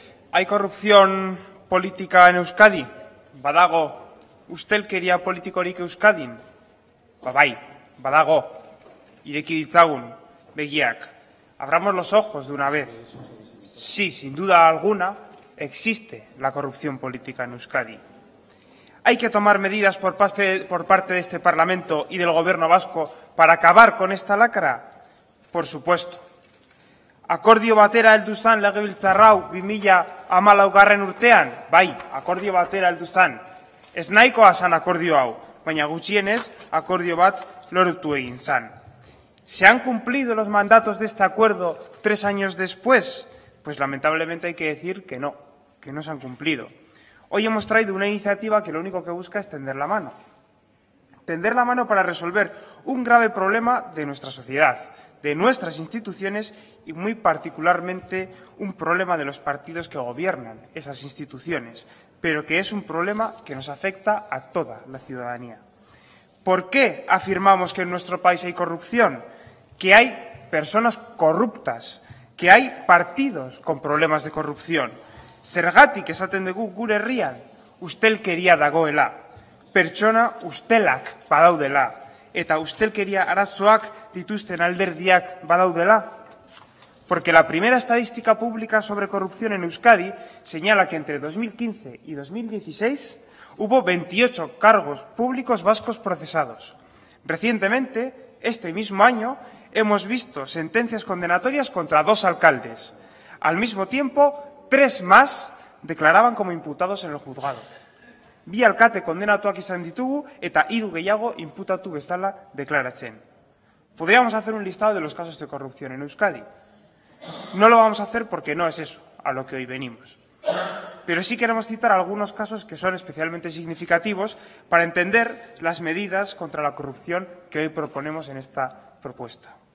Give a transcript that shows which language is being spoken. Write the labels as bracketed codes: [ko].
[es] ¿Hay corrupción política en Euskadi? [eu] Badago, ustelkeria politikorik Euskadin. Babai, badago, ireki ditzagun, begiak. [es] Abramos los ojos de una vez. Sí, sin duda alguna, existe la corrupción política en Euskadi. Hay que tomar medidas por parte de este Parlamento y del Gobierno vasco para acabar con esta lacra, por supuesto. [eu] Akordio batera heldu zan legebiltzarrau 2014 urtean, bai, akordio batera heldu zan. Ez nahikoa zan akordio hau, baina gutxienez akordio bat lortu egin zan. [es] ¿Se han cumplido los mandatos de este acuerdo 3 años después? Pues lamentablemente hay que decir que no se han cumplido. Hoy hemos traído una iniciativa que lo único que busca es tender la mano. Tender la mano para resolver un grave problema de nuestra sociedad, de nuestras instituciones y, muy particularmente, un problema de los partidos que gobiernan esas instituciones, pero que es un problema que nos afecta a toda la ciudadanía. ¿Por qué afirmamos que en nuestro país hay corrupción? Que hay personas corruptas, que hay partidos con problemas de corrupción. [eu] Zergatik esaten dugu gure herrian, ustelkeria dagoela, pertsona ustelak badaudela, eta ustelkeria arazoak dituzten alderdiak badaudela. [es] Porque la primera estadística pública sobre corrupción en Euskadi señala que entre 2015 y 2016 hubo 28 cargos públicos vascos procesados. Recientemente, este mismo año, hemos visto sentencias condenatorias contra 2 alcaldes. Al mismo tiempo, 3 más declaraban como imputados en el juzgado. [eu] Bi alkate kondenatuak izan ditugu eta 3 gehiago imputatu bezala deklaratzen. [es] Podríamos hacer un listado de los casos de corrupción en Euskadi. No lo vamos a hacer porque no es eso a lo que hoy venimos. Pero sí queremos citar algunos casos que son especialmente significativos para entender las medidas contra la corrupción que hoy proponemos en esta propuesta.